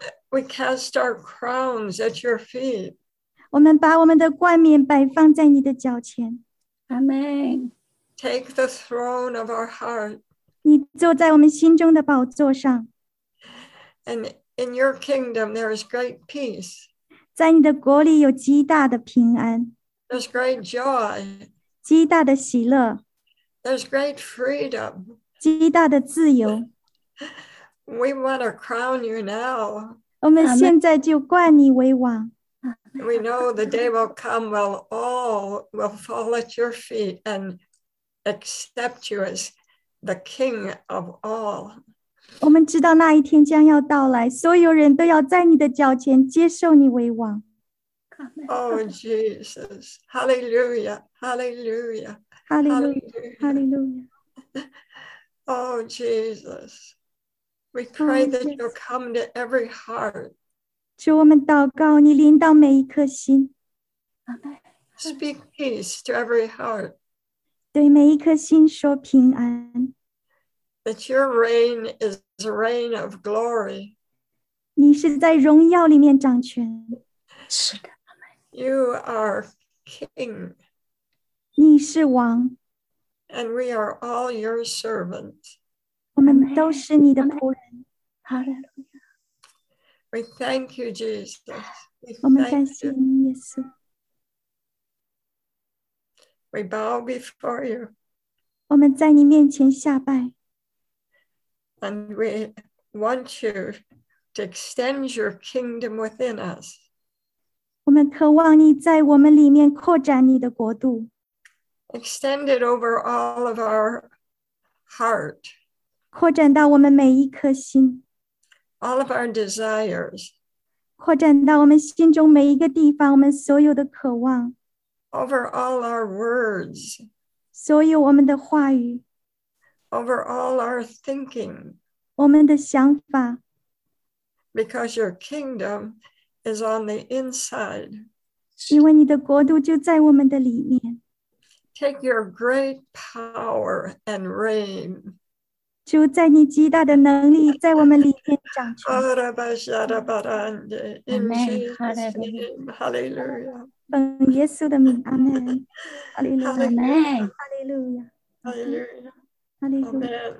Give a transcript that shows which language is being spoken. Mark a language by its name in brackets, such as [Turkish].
[English] We cast our crowns at your feet. [Chinese] 我们把我们的冠冕摆放在你的脚前。 [English] Amen. Take the throne of our heart. [Chinese] 你坐在我们心中的宝座上。 [English] And in your kingdom there is great peace. [Chinese] 在你的国里有极大的平安。 [English] There's great joy. [Chinese] 极大的喜乐。 [English] There's great freedom. [Chinese] 极大的自由。 [English] We want to crown you now. [Chinese] 我们现在就冠你为王。 [English] We know the day will come when all will fall at your feet and accept you as the king of all. [Chinese] 我们知道那一天将要到来，所有人都要在你的脚前接受你为王。 [English] Oh Jesus, Hallelujah, Hallelujah, Hallelujah, Hallelujah. Oh Jesus, we pray that you'll come to every heart. [Chinese] 主，我们祷告你临到每一颗心。 [English] Speak peace to every heart. [Chinese] 对每一颗心说平安。 [English] That your reign is a reign of glory. [Chinese] 你是在荣耀里面掌权。是的。 [English] You are king. [Chinese] 你是王。 [English] And we are all your servants. [Chinese] 我们都是你的仆人。 [English] Hallelujah. We thank you, Jesus. [Chinese] 我们感谢你，耶稣。 [English] We bow before you. [Chinese] 我们在你面前下拜。 [English] And we want you to extend your kingdom within us. [Chinese] 我们渴望你在我们里面扩展你的国度。 [English] Extend it over all of our heart. [Chinese] 扩展到我们每一颗心。 [English] All of our desires. [Chinese] 扩展到我们心中每一个地方，我们所有的渴望。 [English] Over all our words. [Chinese] 所有我们的话语。 [English] Over all our thinking. [Chinese] 我们的想法。 [English] Because your kingdom is on the inside. [Chinese] 因为你的国度就在我们的里面。 [English] Take your great power and reign. [Chinese] 主，在你极大的能力在我们里面掌权。阿巴沙达巴兰德。阿门。哈利路亚。奉耶稣的名，阿门。哈利路亚。阿门。哈利路亚。哈利路亚。